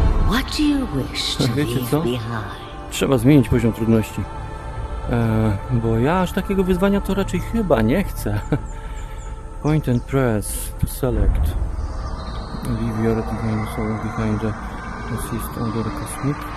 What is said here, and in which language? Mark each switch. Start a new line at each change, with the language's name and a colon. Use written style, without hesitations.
English: What do you wish to leave behind?
Polish: Trzeba zmienić poziom trudności. Bo ja aż takiego wyzwania to raczej chyba nie chcę.
English: Point and press to select. Leave your design soul behind the assist under cosmic.